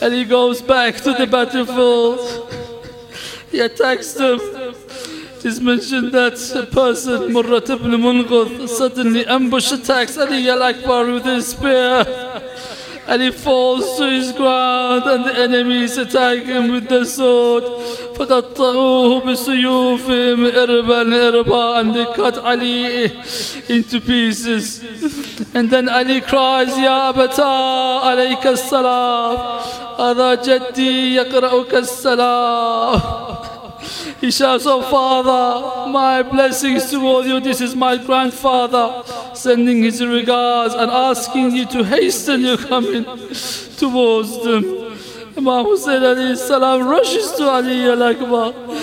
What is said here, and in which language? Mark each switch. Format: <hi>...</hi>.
<en>And he goes back to the battlefield. He attacks them. It is mentioned that a person, Murrat ibn Munghuth, suddenly ambush attacks Ali al-Akbar with his spear. And he falls to his ground, and the enemies attack him with the sword.</en> <ar>فَقَطَّعُوهُ بِسُيُوفِهِمْ إِرْبًا إِرْبًا.</ar> <en>And they cut Ali into pieces. And then Ali cries,</en> <ar>يَا أَبَتَا عَلَيْكَ السَّلَامُ أَذَا جَدِّي يَقْرَأُكَ السَّلَامُ.</ar> <en>He shouts, Oh Father, my blessings toward you. This is my grandfather sending his regards and asking you to hasten your coming towards them. Imam Hussein alayhi salam rushes to Ali al-Akbar.</en>